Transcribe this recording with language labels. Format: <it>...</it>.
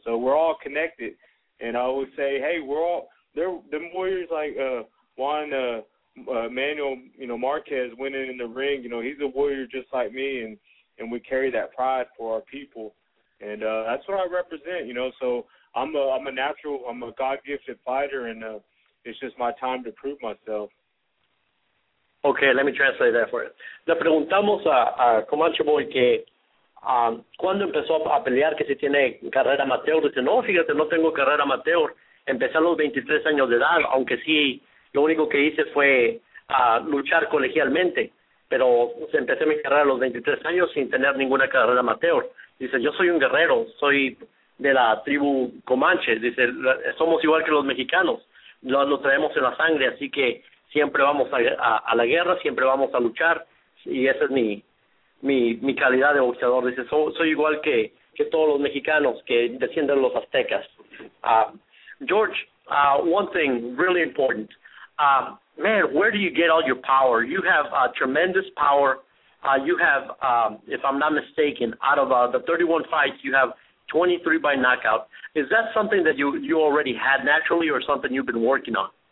<en>So we're all connected. And I always say, hey, we're all – the warriors like Juan Manuel, you know, Marquez went in the ring. You know, he's a warrior just like me, and we carry that pride for our people. And that's what I represent, you know. So I'm a natural – I'm a God-gifted fighter, and it's just my time to prove myself. Okay, let me translate that for you.</en> <es>Le preguntamos a Comanche Boy que cuando empezó a pelear, que si tiene carrera amateur. Dice, no, fíjate, no tengo carrera amateur. Empecé a los 23 años de edad, aunque sí, lo único que hice fue luchar colegialmente. Pero empecé mi carrera a los 23 años sin tener ninguna carrera amateur. Dice, yo soy un guerrero, soy de la tribu Comanche. Dice, somos igual que los mexicanos, lo traemos en la sangre, así que siempre vamos a la guerra, siempre vamos a luchar, y esa es mi calidad de boxeador. Dice, soy igual que todos los mexicanos que descienden los aztecas.</es> <en>George, one thing really important. Man, where do you get all your power? You have tremendous power. You have, if I'm not mistaken, out of the 31 fights, you have 23 by knockout. Is that something that you already had naturally, or something you've been working on?</en>